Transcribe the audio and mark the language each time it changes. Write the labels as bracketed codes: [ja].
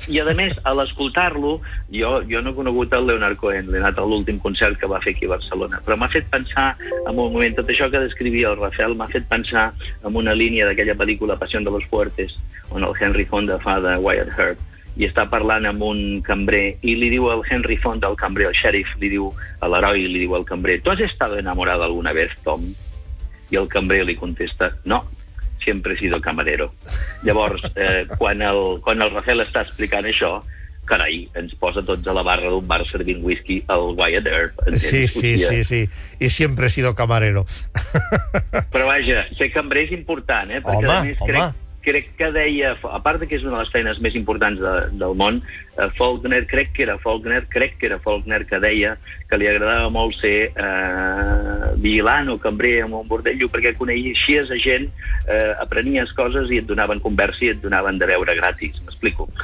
[ca] I a més, a l'escoltar-lo, jo no he conegut el Leonard Cohen, l'he anat l'últim concert que va fer aquí a Barcelona, però m'ha fet pensar en un moment, tot això que descrivia el Rafael m'ha fet pensar en una línia d'aquella pel·lícula Passión de los Fuertes, on el Henry Fonda fa de Wyatt Earp i està parlant amb un cambrer i li diu al Henry Fonda, al cambrer, al sheriff, li diu a l'heroi, li diu al cambrer: [es] tu has estado enamorado alguna vez, Tom? [ca] I el cambrer li contesta: [es] no, siempre he sido camarero. [ca] Llavors, quan el Rafael està explicant això, carai, ens posa tots a la barra d'un bar servint whisky al Wyatt Earp. Sí. I sempre [es] he sido camarero. [ca] Però vaja, ser cambrer és important, eh? Perquè, home, a més, crec que deia, a part que és una de les feines més importants del món, Faulkner, crec que era Faulkner, que deia que li agradava molt ser vigilant o cambrer en un bordello, perquè coneixies a gent, aprenies coses i et donaven conversa i et donaven de beure gratis. M'explico.